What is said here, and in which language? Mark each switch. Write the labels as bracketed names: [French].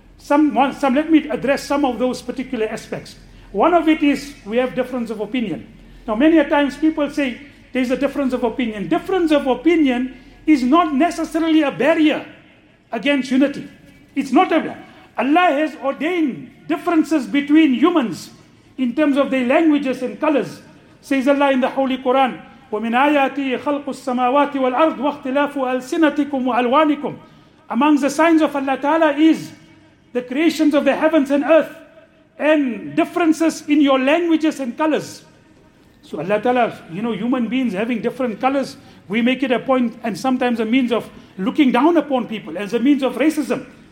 [English] Let me address some of those particular aspects. One of it is we have difference of opinion. Now, many a times people say there's a difference of opinion. Difference of opinion is not necessarily a barrier against unity. It's not a barrier. Allah has ordained differences between humans in terms of their languages and colors. Says Allah in the Holy Quran, [Arabic] وَمِنْ آيَاتِهِ خَلْقُ السَّمَاوَاتِ وَالْأَرْضِ وَاخْتِلَافُ أَلْسِنَتِكُمْ وَأَلْوَانِكُمْ. [English] Among the signs of Allah Ta'ala is the creations of the heavens and earth and differences in your languages and colors. So Allah Ta'ala, you know, human beings having different colors, we make it a point and sometimes a means of looking down upon people as a means of racism.